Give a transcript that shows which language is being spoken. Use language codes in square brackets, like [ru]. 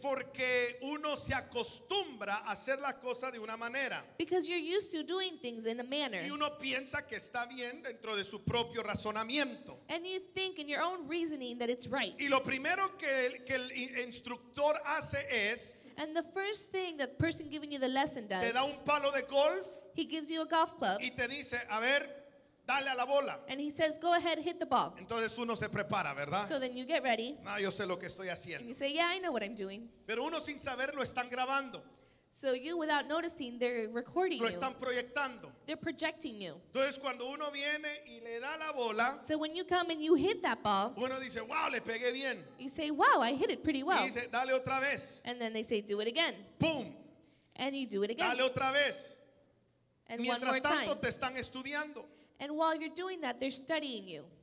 [es] Porque uno se acostumbra a hacer la cosa de una manera. [en] Because you're used to doing things in a manner. [es] Y uno piensa que está bien dentro de su propio razonamiento. [en] And you think in your own reasoning that it's right. [es] Y lo primero que el instructor hace es, [en] and the first thing that the person giving you the lesson does, [es] te da un palo de golf. [en] He gives you a golf club. [es] Y te dice, a ver, dale a la bola. [en] And he says, go ahead, hit the ball. [es] Entonces uno se prepara, ¿verdad? [en] So then you get ready. [es] Ah, yo sé lo que estoy haciendo. [en] And you say, yeah, I know what I'm doing. [es] Pero uno sin saberlo están grabando. [en] So you, without noticing, they're recording you. [es] Lo están proyectando. [en] They're projecting you. [es] Entonces cuando uno viene y le da la bola, [en] so when you come and you hit that ball, [es] uno dice, wow, le pegué bien. [en] You say, wow, I hit it pretty well. [es] Y dice, dale otra vez. [en] And then they say, do it again. Boom. And you do it again. [es] Dale otra vez. [en] And [es] mientras [en] one more [es] tanto [en] time. [es] Te están estudiando. [en] And while you're doing that, they're studying you.